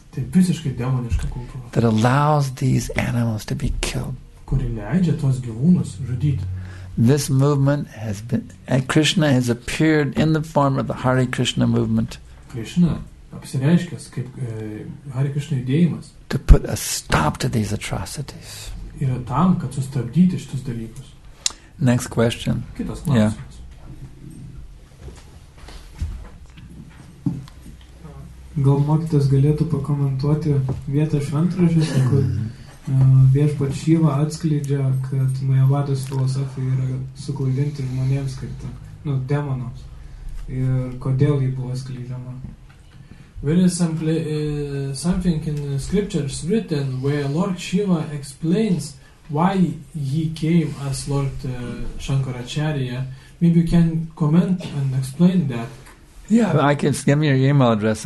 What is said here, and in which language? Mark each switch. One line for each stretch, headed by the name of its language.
Lithuanian: Tai visiškai demoniška kultūra.
English: That allows these animals to be killed.
Lithuanian: Kuri leidžia tos gyvūnus žudyti.
English: This movement has been, and Krishna has appeared in the form of the Hare Krishna movement.
Lithuanian: Krishna apsireiškęs kaip Hare Krishna judėjimas.
English: To put a stop to these atrocities.
Lithuanian: Yra tam, kad sustabdyti šitus dalykus.
English: Next question.
Lithuanian: Kitas klausimas.
English: Yeah.
Lithuanian: Gal mokytas galėtų pakomentuoti vietą šventražiuose, kur viešpat Šyva atskleidžia, kad Majavados filosofija yra suklaidinti žmonėms skirta, nu, demonams. Ir kodėl ji buvo skleidžiama.
English: There is something in the scriptures written where Lord Shiva explains why he came as Lord Shankaracharya. Maybe you can comment and explain that. Yeah, I can give me your email address.